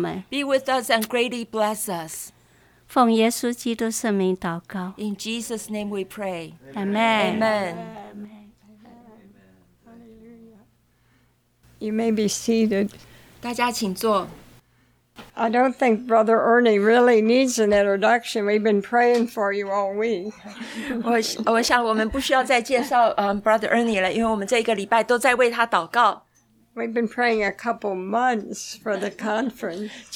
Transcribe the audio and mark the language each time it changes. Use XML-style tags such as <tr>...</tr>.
<en>Be with us and greatly bless us.</en> <zh>奉耶稣基督圣名祷告。</zh> <en>In Jesus' name we pray. Amen. Amen. You may be seated.</en> <zh>大家请坐。</zh> <en>I don't think Brother Ernie really needs an introduction. We've been praying for you all week.</en> <zh>我想我们不需要再介绍 Brother Ernie了, 因为我们这一个礼拜都在为他祷告。</zh> <en>We've been praying a couple months for the conference.</en>